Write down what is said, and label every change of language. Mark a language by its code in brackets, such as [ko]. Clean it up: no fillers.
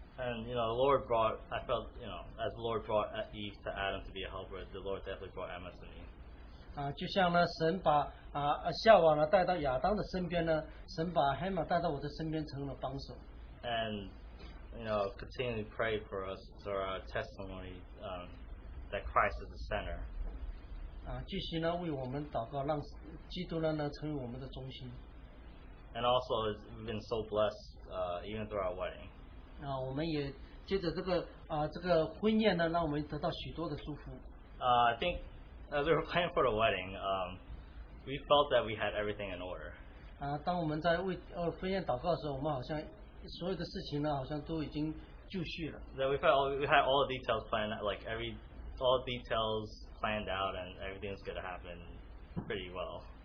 [en] And you know, the Lord brought, I felt, you know, as the Lord brought Eve to Adam to be a helper, the Lord definitely brought Emma to me. [zh] 就像呢，神把夏娃呢带到亚当的身边呢，神把Emma带到我的身边，成了帮手。 [en] And you know, continually pray for us through our testimony that Christ is the center. [zh] 继续呢为我们祷告，让基督呢成为我们的中心。 [en] And also, we've been so blessed even through our wedding. [zh] 我们也接着这个婚宴呢，让我们得到许多的祝福。 [en] I think as we were planning for the wedding, we felt that we had everything in order. [zh] 当我们在为婚宴祷告的时候，我们好像 所有的事情呢，好像都已经就绪了。 [en] That we felt all, we had all the details planned, like every all details planned out, and everything's going to happen pretty well.